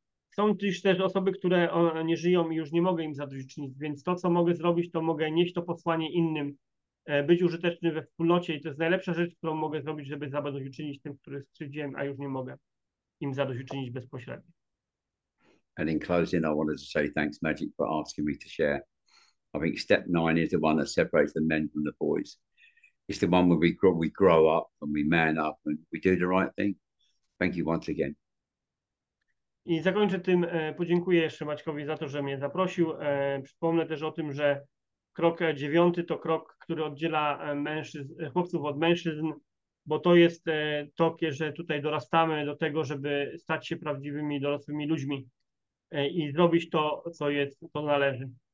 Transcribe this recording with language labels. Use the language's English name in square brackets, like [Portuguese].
[Polish] Są też osoby, które nie żyją i już nie mogę im zadośćuczynić, więc to, co mogę zrobić, to mogę nieść to posłanie innym, być użyteczny we wspólnocie i to jest najlepsza rzecz, którą mogę zrobić, żeby zadośćuczynić tym, którzy skrzywdziłem, a już nie mogę im zadośćuczynić bezpośrednio. [English] And in closing, I wanted to say thanks, Magic, for asking me to share. I think step nine is the one that separates the men from the boys. It's the one where we grow up and we man up and we do the right thing. Thank you once again. [Polish] I zakończę tym, podziękuję jeszcze Maćkowi za to, że mnie zaprosił. Przypomnę też o tym, że krok dziewiąty to krok, który oddziela chłopców od mężczyzn, bo to jest to, że tutaj dorastamy do tego, żeby stać się prawdziwymi, dorosłymi ludźmi i zrobić to, co jest, co należy.